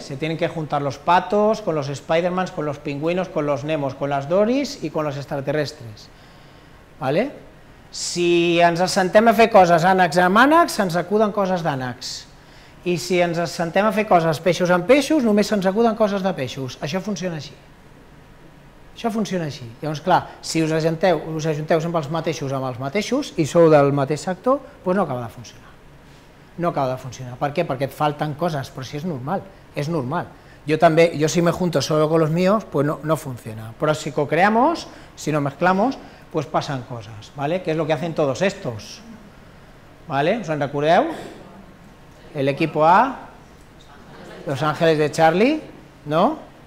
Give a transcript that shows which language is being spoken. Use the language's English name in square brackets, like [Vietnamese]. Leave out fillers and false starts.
[Spanish] Se tienen que juntar los patos, con los Spidermans, con los pingüinos, con los Nemos, con las Doris y con los extraterrestres. Vale? [Catalan] Si ens assentem a fer coses ànecs amb ànecs, se'ns acuden coses d'ànecs. I si ens assentem a fer coses peixos amb peixos, només se'ns acuden coses de peixos. Això funciona així. Això funciona així. Llavors, clar, si us ajunteu amb els mateixos, i sou del mateix sector, doncs no acaba de funcionar. No acaba de funcionar. Per què? Perquè et falten coses, però si és normal. És normal. [Spanish] Yo también, yo si me junto solo con los míos, pues no, no funciona. Pero si co-creamos, si nos mezclamos, pues pasan cosas, ¿vale? Que es lo que hacen todos estos, ¿vale? [Catalan] ¿Os en recordeu? [Spanish] El equipo A, Los Ángeles de Charlie, ¿no?